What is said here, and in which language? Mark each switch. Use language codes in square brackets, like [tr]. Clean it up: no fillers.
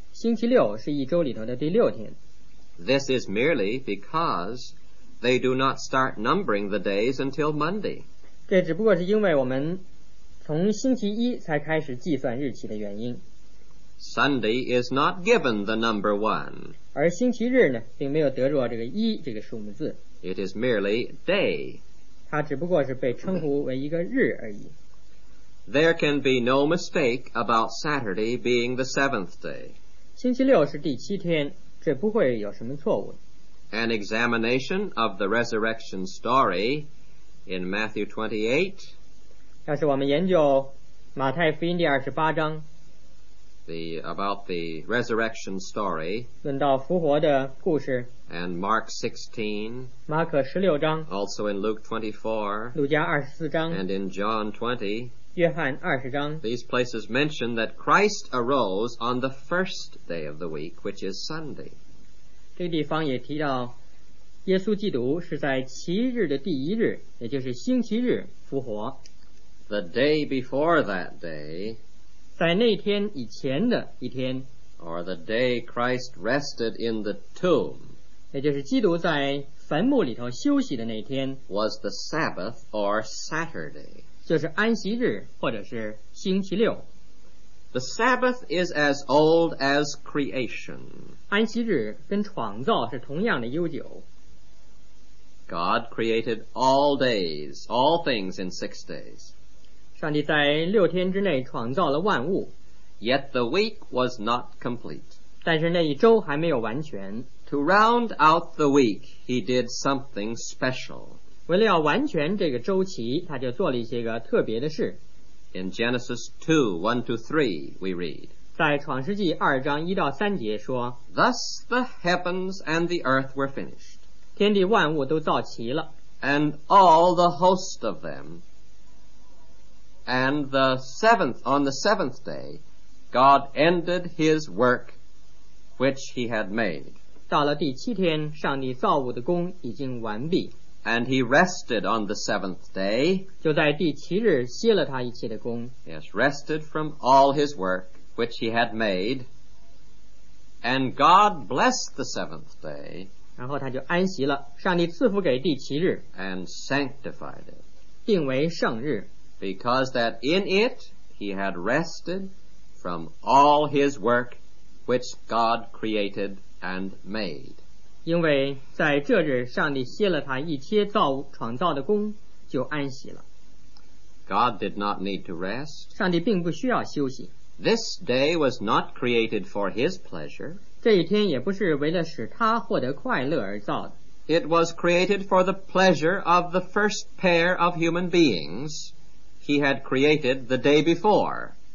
[zh] 星期六是一周里头的第六天。 [en] This is merely because they do not start numbering the days until Monday. [zh] 这只不过是因为我们从星期一才开始计算日期的原因。 [en] Sunday is not given the number one. [zh] 而星期日呢，并没有得着这个一这个数目字。 [en] It is merely day. [zh] 它只不过是被称呼为一个日而已。 [en] There can be no mistake about Saturday being the seventh day. [zh] 星期六是第七天。这不会有什么错误。 [en] An examination of the resurrection story in Matthew 28. [zh] 要是我们研究马太福音第二十八章 [en] about the resurrection story. [zh] 论到复活的故事。 [en] And Mark 16. [zh] 马可十六章。 [en] Also in Luke 24. [zh] 路加二十四章。 [en] And in John 20. [zh] 约翰二十章。 [en] These places mention that Christ arose on the first day of the week, which is Sunday. [zh] 这个地方也提到耶稣基督是在七日的第一日，也就是星期日复活。 [en] The day before that day, [zh] 在那天以前的一天， [en] or the day Christ rested in the tomb, [zh] 也就是基督在坟墓里头休息的那天， [en] was the Sabbath or Saturday. [zh] 就是安息日或者是星期六。 [en] The Sabbath is as old as creation. [zh] 安息日跟创造是同样的悠久。 [en] God created all days, all things in 6 days. [zh] 上帝在六天之内创造了万物。 [en] Yet the week was not complete. [zh] 但是那一周还没有完全。 [en] To round out the week, he did something special. [zh] 为了要完全这个周期，他就做了一些个特别的事。 [en] In Genesis 2:1-3, we read, [zh] 在创世纪二章一到三节说， [en] Thus the heavens and the earth were finished. [zh] 天地万物都造齐了。 [en] And all the host of them. And on the seventh day, God ended his work which he had made. [zh] 到了第七天，上帝造物的工已经完毕。 [en] And he rested on the seventh day. [zh] 就在第七日歇了他一切的工。 [en] Yes, rested from all his work which he had made. And God blessed the seventh day. [zh] 然后他就安息了，上帝赐福给第七日。 [en] And sanctified it. [zh] 定为圣日。 [en] Because that in it he had rested from all his work which God created and made. [zh] 因为在这日上帝歇了他一切造物创造的功，就安息了。 [en] God did not need to rest. [zh] 上帝并不需要休息。 [en] This day was not created for his pleasure. [zh] 这一天也不是为了使他获得快乐而造的。 [en] It was created for the pleasure of the first pair of human beings he had created the day before.